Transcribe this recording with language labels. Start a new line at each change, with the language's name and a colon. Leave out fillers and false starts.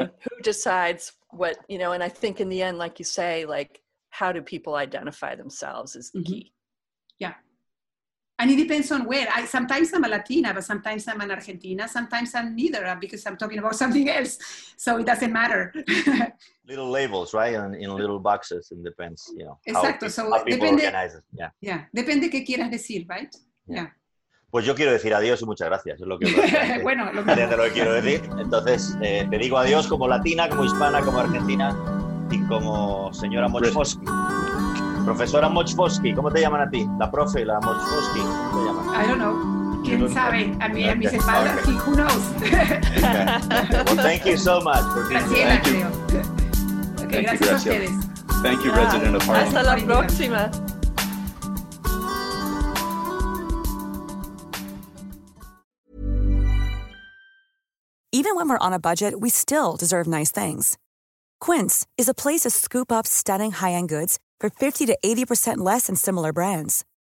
English: Who decides what, you know? And I think in the end, like you say, like, how do people identify themselves is the key. Yeah. And it depends on where. Sometimes I'm a Latina, but sometimes I'm an Argentina. Sometimes I'm neither, because I'm talking about something else. So it doesn't matter. Little labels, right? And in little boxes, it depends, you know.
Spanish: Exacto.
English: How people
Spanish: depende,
English: organize it. Yeah. Yeah.
Spanish: Depende qué quieras decir,
English: right? Yeah.
Spanish: Pues yo quiero decir adiós y muchas gracias. Es lo que bueno, lo que quiero decir. Entonces, te digo adiós como latina, como hispana, como argentina y como señora Mochfosky. Profesora Mochfosky, ¿cómo te llaman a ti? La profe, la Mochfosky, ¿cómo te llaman?
English: I don't know.
Spanish: ¿Quién sabe? A mí, a mis espaldas, okay. Sí,
English: who knows? Okay. Well, thank you so much.
Spanish: Gracias, creo. Okay, gracias, gracias a ustedes.
English: Thank you, resident of Harlem.
Spanish: Hasta la próxima.
English: Even when we're on a budget, we still deserve nice things. Quince is a place to scoop up stunning high-end goods for 50 to 80% less than similar brands.